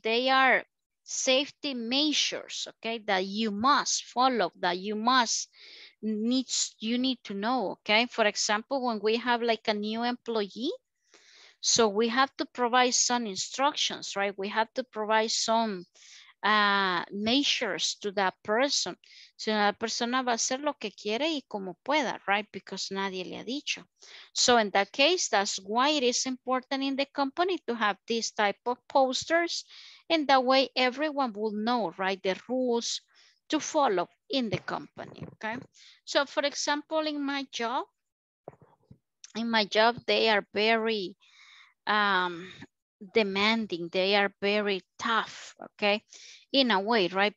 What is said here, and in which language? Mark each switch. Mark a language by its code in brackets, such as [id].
[en] They are safety measures, okay, that you must follow, that you must you need to know, okay? For example, when we have like a new employee, so we have to provide some instructions, right? We have to provide some measures to that person. [es] So la persona va a hacer lo que quiere y como pueda, right? Because nadie le ha dicho. [en] So in that case, that's why it is important in the company to have this type of posters. And that way everyone will know, right? The rules to follow in the company, okay? So for example, in my job, they are very demanding, they are very tough, okay, in a way, right?